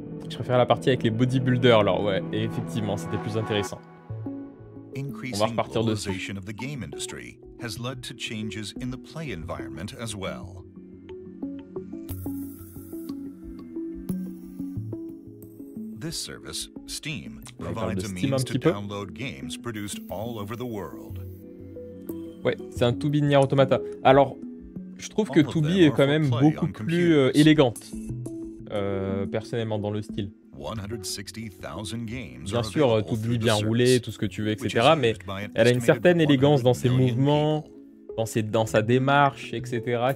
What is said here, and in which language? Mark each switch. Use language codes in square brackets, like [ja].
[fr] Je préfère la partie avec les bodybuilders, alors, ouais. Et effectivement, c'était plus intéressant. [en] Increasing globalization of the game industry has led to changes in the play environment as well. This service, Steam, provides a means to download games produced all over the world. [fr] Ouais, c'est un 2B Nier Automata. Alors, je trouve que 2B est quand même beaucoup plus élégante, personnellement, dans le style. Bien sûr, tout lui bien roulé, tout ce que tu veux, etc. Mais elle a une certaine élégance dans ses mouvements, dans sa démarche, etc.